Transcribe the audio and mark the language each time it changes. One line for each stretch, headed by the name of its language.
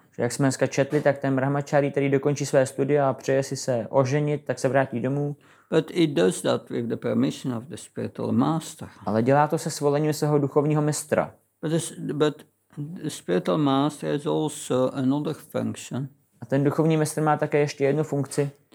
Czech: Že jak jsme dneska četli, tak ten brahmačáry, který dokončí své studia a přeje si se oženit, tak se vrátí domů.
English: But he does that with the permission of the spiritual master.
Czech: Ale dělá to se svolením svého duchovního mistra.
English: But the spiritual master has also another function.
Czech: A ten duchovní mistr má také ještě jednu funkci.